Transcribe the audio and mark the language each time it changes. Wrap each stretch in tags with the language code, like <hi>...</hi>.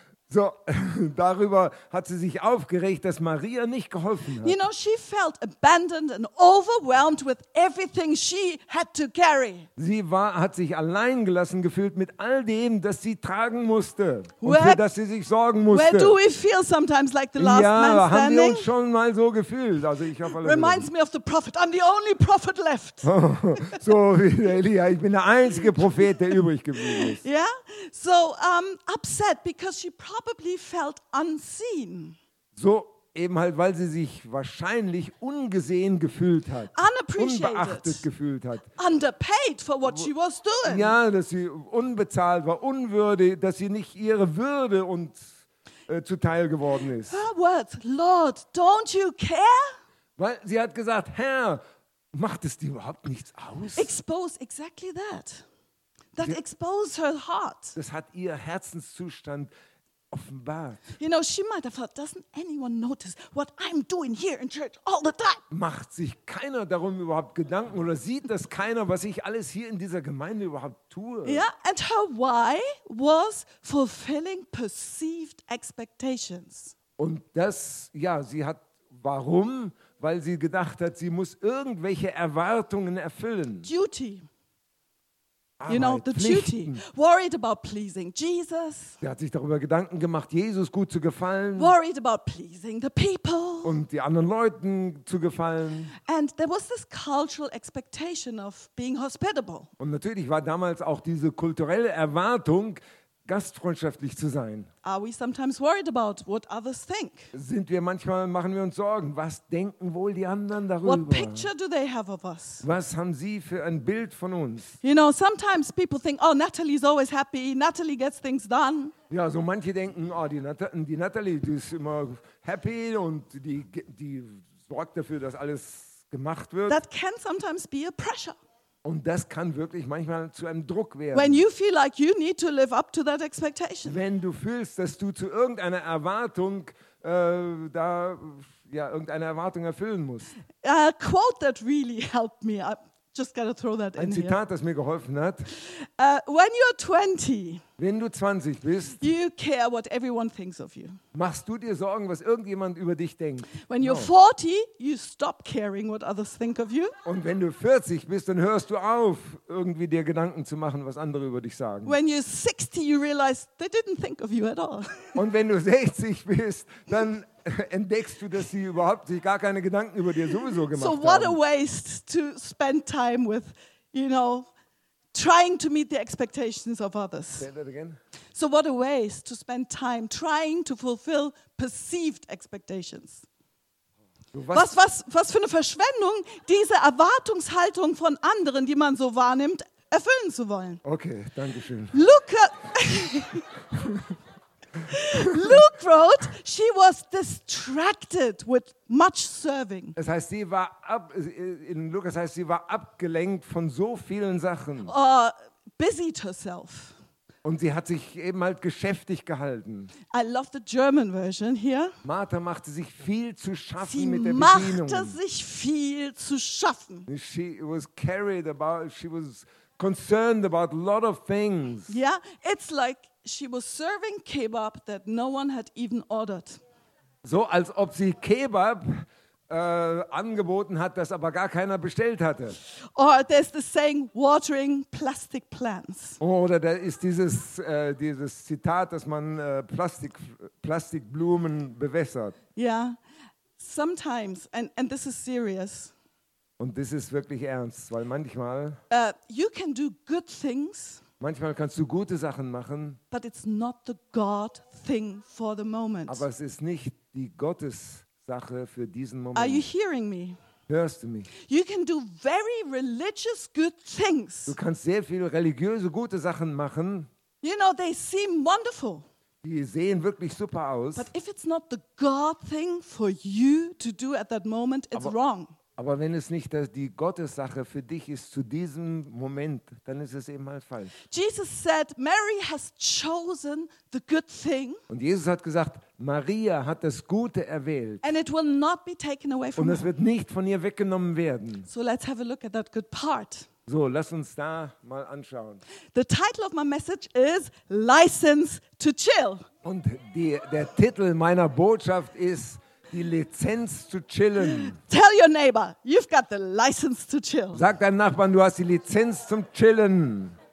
<de>So, darüber hat sie sich aufgeregt, dass Maria nicht geholfen hat.</de> <en>You know, she felt abandoned and overwhelmed with everything she had to carry.</en> <de>Sie hat sich allein gelassen gefühlt mit all dem, das sie tragen musste und für das sie sich sorgen musste.</de> <en>Where do we feel sometimes like the last man standing?</en> <de>Ja, haben wir uns schon mal so gefühlt. Also ich habe alles.</de> <en>Reminds me of the prophet. I'm the only prophet left.</en> <de>So wie Elia, ich bin der einzige Prophet, der übrig geblieben ist.</de> <en>Yeah, so upset because she probably felt unseen.</en> <de>So eben halt, weil sie sich wahrscheinlich ungesehen gefühlt hat, unbeachtet gefühlt hat.</de> <en>Underpaid for what she was doing.</en> <de>Ja, dass sie unbezahlt war, unwürdig, dass sie nicht ihre Würde und zuteil geworden ist.</de> <en>Her words, Lord, don't you care?</en> <de>Weil sie hat gesagt, Herr, macht es dir überhaupt nichts aus?</de> <en>Expose exactly that. That exposed her heart.</en> <de>Das hat ihr Herzenszustand offenbart.</de> <en>You know, she might have thought, doesn't anyone notice what I'm doing here in church all the time?</en> <de>Macht sich keiner darum überhaupt Gedanken oder sieht das keiner, was ich alles hier in dieser Gemeinde überhaupt tue?</de> <en>Yeah, and her why was fulfilling perceived expectations.</en> <de>Und das, ja, sie hat warum, weil sie gedacht hat, sie muss irgendwelche Erwartungen erfüllen.</de> <en>Duty.</en> <de>Arbeit,</de> <en>you know, the</en> <de>Pflichten.</de> <en>Duty. Worried about pleasing Jesus.</en> <de>Er hat sich darüber Gedanken gemacht, Jesus gut zu gefallen.</de> <en>Worried about pleasing the people.</en> <de>Und die anderen Leuten zu gefallen.</de> <en>And there was this cultural expectation of being hospitable.</en> <de>Und natürlich war damals auch diese kulturelle Erwartung, gastfreundschaftlich zu sein.</de> <en>Are we sometimes worried about what others think?</en> <de>Sind wir manchmal, machen wir uns Sorgen, was denken wohl die anderen darüber?</de> <en>What picture do they have of us?</en> <de>Was haben sie für ein Bild von uns?</de> <en>You know, sometimes people think, oh, Natalie's always happy, Natalie gets things done.</en> <de>Ja, so manche denken, oh, die Natalie, die ist immer happy und die sorgt dafür, dass alles gemacht wird.</de> <en>That can sometimes be a pressure.</en> <de>Und das kann wirklich manchmal zu einem Druck werden.</de> <en>When you feel like you need to live up to that expectation.</en> <de>Wenn du fühlst, dass du zu irgendeiner Erwartung irgendeine Erwartung erfüllen musst.</de> <en>A quote that really helped me. I just gotta throw that</en> <de>ein in Zitat, Ein Zitat, das mir geholfen hat.</de> <en>When you're 20.</en> <de>Wenn du 20 bist.</de> <en>You care what everyone thinks of you.</en> <de>Machst du dir Sorgen, was irgendjemand über dich denkt?</de> <en>When you're 40, you stop caring what others think of you.</en> <de>Und wenn du 40 bist, dann hörst du auf, irgendwie dir Gedanken zu machen, was andere über dich sagen.</de> <en>When you're 60, you realize they didn't think of you at all.</en> <de>Und wenn du 60 bist, dann entdeckst du, dass sie überhaupt sich gar keine Gedanken über dir sowieso gemacht haben.</de> <en>So what a waste to spend time with, you know, trying to meet the expectations of others. Say that again. So what a waste to spend time trying to fulfill perceived expectations.</en> <de>Was für eine Verschwendung, diese Erwartungshaltung von anderen, die man so wahrnimmt, erfüllen zu wollen. Okay, danke schön.</de> <en>Luke wrote, she was distracted with much serving.</en> <de>Das heißt, sie war in Lukas heißt, sie war abgelenkt von so vielen Sachen.</de> <en>Busied herself.</en> <de>Und sie hat sich eben halt geschäftig gehalten.</de> <en>I love the German version here.</en> <de>Martha machte sich viel zu schaffen sie mit der machte Bedienung. Sich viel zu schaffen.</de> <en>She was carried about, she was concerned about a lot of things. Yeah, it's like she was serving kebab that no one had even ordered.</en> <de>So als ob sie Kebab angeboten hat, das aber gar keiner bestellt hatte.</de> <en>Or there's the saying, watering plastic plants.</en> <de>Oder da ist dieses Zitat, dass man Plastikblumen bewässert.</de> <en>Yeah, sometimes, and this is serious.</en> <de>Und das ist wirklich ernst, weil manchmal</de> <en>you can do good things.</en> <de>Manchmal kannst du gute Sachen machen.</de> <en>But it's not the God thing for the moment.</en> <de>Aber es ist nicht die Gottessache für diesen Moment.</de> <en>Are you hearing me?</en> <de>Hörst du mich?</de> <en>You can do very religious good things.</en> <de>Du kannst sehr viele religiöse gute Sachen machen.</de> <en>You know, they seem wonderful.</en> <de>Die sehen wirklich super aus.</de> <en>But if it's not the God thing for you to do at that moment, it's wrong.</en> <de>Aber wenn es nicht die Gottessache für dich ist zu diesem Moment, dann ist es eben mal falsch.</de> <en>Jesus said, Mary has chosen the good thing.</en> <de>Und Jesus hat gesagt, Maria hat das Gute erwählt.</de> <en>And it will not be taken away from</en> <de>Und es wird nicht von ihr weggenommen werden.</de> <en>So let's have a look at that good part.</en> <de>So, lass uns da mal anschauen.</de> <en>The title of my message is License to Chill.</en> <de>Und der Titel meiner Botschaft ist die Lizenz zu chillen.</de> <en>Tell your neighbor, you've got the license to chill.</en> <de>Sag deinem Nachbarn, du hast die Lizenz zum Chillen.</de>